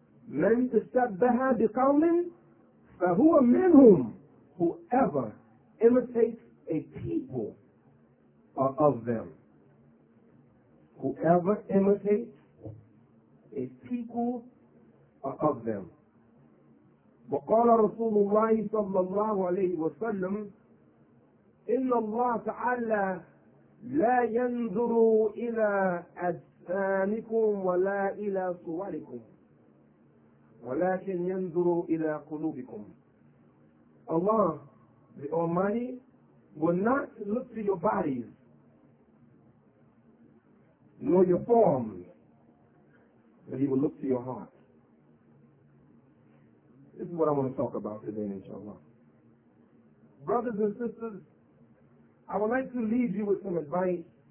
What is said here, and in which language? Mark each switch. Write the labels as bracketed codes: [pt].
[ar] مَنْ تَشَبَّهَ بِقَوْمٍ فَهُوَ مِنْهُمْ. [en] Whoever imitates a people are of them. Whoever imitates a people are of them. [ar] وَقَالَ رَسُولُ اللَّهِ صَلَّى اللَّهُ عَلَيْهِ وَسَلَّمُ إِنَّ اللَّهَ تَعَالَى لَا يَنْظُرُ إِلَىٰ أَجْرِ ثانكم ولا إلى صوركم ولكن ينظر إلى قلوبكم. [en] Allah, the Almighty, will not look to your bodies, nor your forms, but He will look to your heart. This is what I want to talk about today, inshallah. Brothers and sisters, I would like to leave you with some advice.